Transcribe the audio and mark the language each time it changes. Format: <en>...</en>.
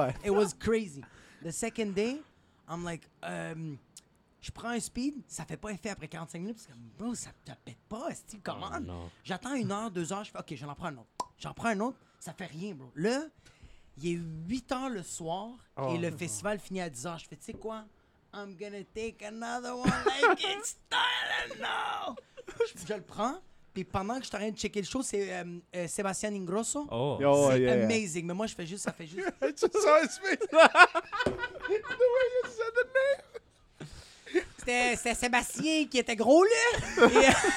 <en>It was crazy. The second day, I'm like,</en> <fr>je prends un speed, ça fait pas effet après 45 minutes, parce que, bro, ça te pète pas, est-ce que,</fr> <en>come on?</en> <fr>Non. J'attends une heure, deux heures, je fais, OK, j'en prends un autre. J'en prends un autre, ça fait rien, bro. Là, il est 8 heures le soir, et le festival finit à 10 heures. Je fais, tu sais quoi?</fr> <en>I'm gonna take another one like it's Thailand now!</en> <fr>Je le prends, puis pendant que je suis en train de checker le show, c'est Sébastien Ingrosso.</fr> <en>Oh, amazing.</en> <fr>Yeah. Mais moi, je fais juste, ça fait juste.</fr> <en>I just saw his face. The way you said the name.</en> <fr>C'est Sébastien qui était gros, là.</fr>